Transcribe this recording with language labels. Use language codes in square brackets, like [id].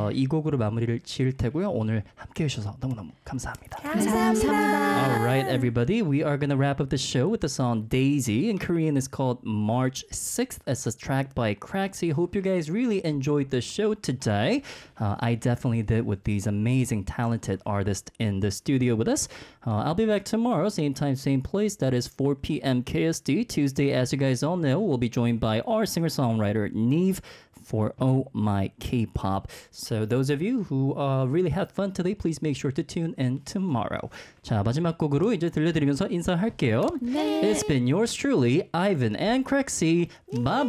[ko] 이 곡으로 마무리를 지을 테고요. 오늘 함께해 주셔서 너무너무 감사합니다. 감사합니다. [en] Alright everybody, we are gonna wrap up the show with the song Daisy. In Korean it's called March 6th. It's a track by Craxy. Hope you guys really enjoyed the show today. I definitely did with these amazing talented artists in the studio with us. I'll be back tomorrow, same time, same place. That is 4 PM KSD. Tuesday, as you guys all know, we'll be joined by our singer-songwriter Neve for Oh My K-Pop. So those of you who really had fun today, please make sure to tune in tomorrow. [ko] 자, 마지막 곡으로 이제 들려드리면서 인사할게요. 네. [en] It's been yours truly, Ivan and Craxy. [ko] 네. [en] Bye-bye.